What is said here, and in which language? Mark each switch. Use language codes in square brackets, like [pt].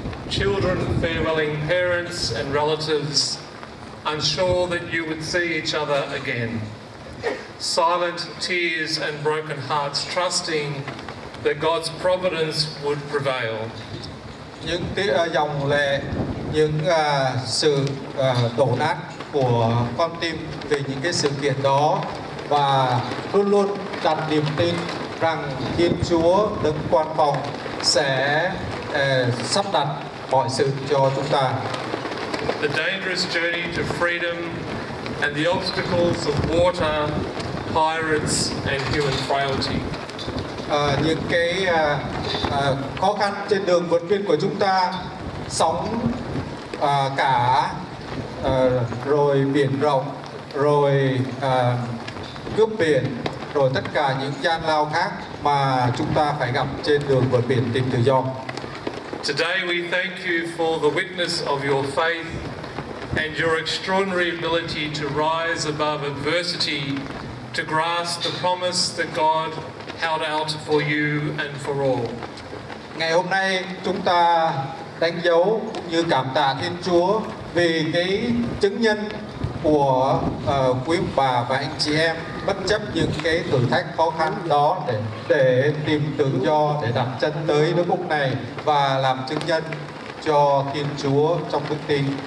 [en] Children farewelling parents and relatives, I'm sure that you would see each other again. Silent tears and broken hearts, trusting that God's providence would prevail. [vi] Những dòng lệ, những sự đổ nát của con tim về những cái sự kiện đó, và luôn luôn đặt niềm tin rằng Thiên Chúa Đấng Quan Phòng sẽ sắp đặt mọi sự cho chúng ta. [en] The dangerous journey to freedom and the obstacles of water, pirates and human frailty. [vi] những cái khó khăn trên đường vượt biên của chúng ta, sóng cả rồi biển rộng, rồi cướp biển, rồi tất cả những gian lao khác mà chúng ta phải gặp trên đường vượt biển tìm tự do. [en] Today we thank you for the witness of your faith and your extraordinary ability to rise above adversity, to grasp the promise that God held out for you and for all. [vi] Ngày hôm nay chúng ta đánh dấu như cảm tạ Thiên Chúa vì cái chứng nhân của quý bà và anh chị em bất chấp những cái thử thách khó khăn đó để tìm tự do, để đặt chân tới nước Úc này và làm chứng nhân cho Thiên Chúa trong đức tin.